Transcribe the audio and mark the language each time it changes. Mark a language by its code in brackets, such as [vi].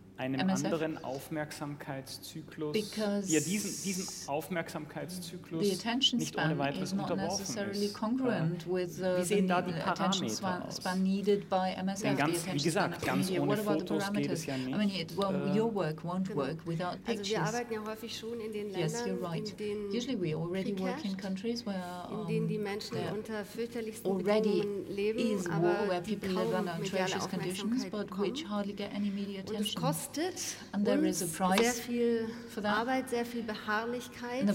[de] einem MSF? Anderen Aufmerksamkeitszyklus, die ja diesem Aufmerksamkeitszyklus nicht ohne weiteres unterworfen ist. Wie sehen da die Parameter aus? Denn ganz, wie gesagt, ganz ohne Fotos geht es ja nicht. [en] I mean, your work won't work without pictures. [de] Also wir arbeiten ja häufig schon in den Ländern, [en] usually we already work in countries where, [de] in denen die Menschen unter fürchterlichsten Bedingungen leben, aber [en] where people live under atrocious conditions, but which hardly get any media attention. [de] Und es kostet uns sehr viel Arbeit, sehr viel Beharrlichkeit,